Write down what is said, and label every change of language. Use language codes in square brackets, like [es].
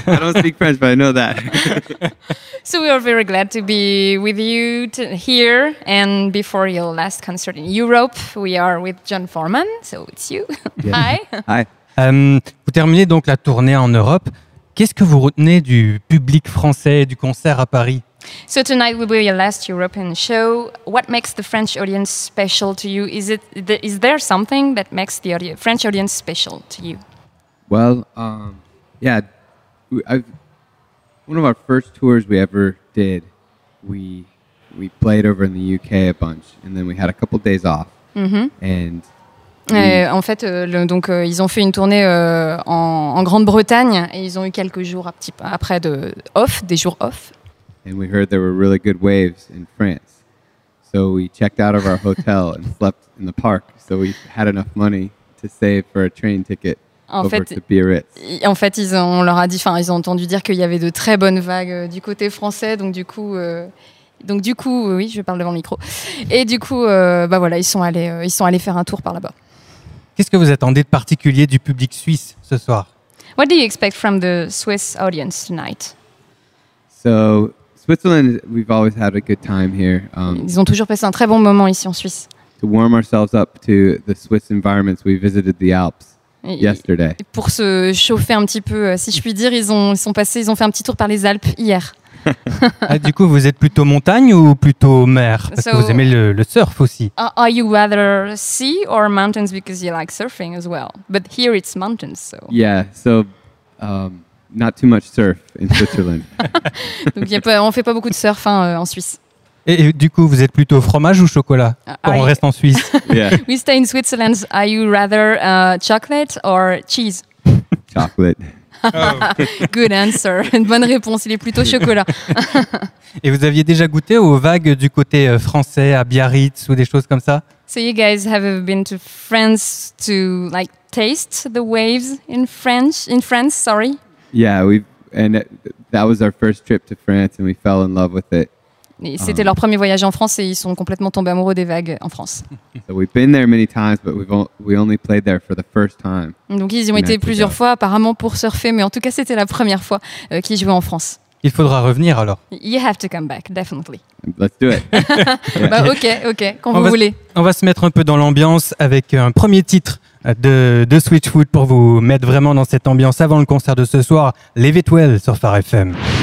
[en] I don't speak French, but I know that. So we are very glad to be with you here. And before your last concert in Europe, we are with John Foreman. So it's you. Yeah. Hi. Hi. [fr] Vous terminez donc la tournée en Europe. Qu'est-ce que vous retenez du public français, du concert à Paris? [en] So tonight will be your last European show. What makes the French audience special to you? Is there something that makes the French audience special to you? Well, one of our first tours we ever did, we played over in the UK a bunch, and then we had a couple of days off. Mm-hmm. And [fr] ils ont fait une tournée en Grande-Bretagne et ils ont eu quelques jours après de off, des jours off. [en] And we heard there were really good waves in France. So we checked out of our hotel and slept in the park. So we had enough money to save for a train ticket to Biarritz. [fr] En fait, ils ont entendu dire qu'il y avait de très bonnes vagues du côté français. Donc du coup, je parle devant le micro. Et du coup, ils sont allés faire un tour par là-bas. Qu'est-ce que vous attendez de particulier du public suisse ce soir? [en] What do you expect from the Swiss audience tonight? So Switzerland, we've always had a good time here. [fr] Ils ont toujours passé un très bon moment ici en Suisse. [en] To warm ourselves up to the Swiss environments, we visited the Alps yesterday. [fr] Pour se chauffer un petit peu, si je puis dire, ils ont fait un petit tour par les Alpes hier. Du coup, vous êtes plutôt montagne ou plutôt mer? Parce que vous aimez le surf aussi. [en] Are you rather sea or mountains because you like surfing as well? But here it's mountains, so. Yeah, so. Not too much surf in Switzerland. [fr] Donc on fait pas beaucoup de surf en Suisse. Et du coup, vous êtes plutôt fromage ou chocolat quand on reste en Suisse? [en] Yeah. We stay in Switzerland. Are you rather chocolate or cheese? Chocolate. Good answer. [fr] Une bonne réponse. Il est plutôt chocolat. Et vous aviez déjà goûté aux vagues du côté français à Biarritz ou des choses comme ça? [en] So you guys have been to France to like taste the waves in French? In France, sorry. Yeah, that was our first trip to France and we fell in love with it. [fr] Et c'était leur premier voyage en France et ils sont complètement tombés amoureux des vagues en France. [en] So we've been there many times but we only played there for the first time. [fr] Donc ils y ont été plusieurs fois apparemment pour surfer, mais en tout cas c'était la première fois qu'ils jouaient en France. Il faudra revenir alors. [en] You have to come back, definitely. Let's do it. [fr] Bah, OK, quand vous voulez. On va se mettre un peu dans l'ambiance avec un premier titre de Switchfoot pour vous mettre vraiment dans cette ambiance avant le concert de ce soir, Leave It Well sur Phare FM.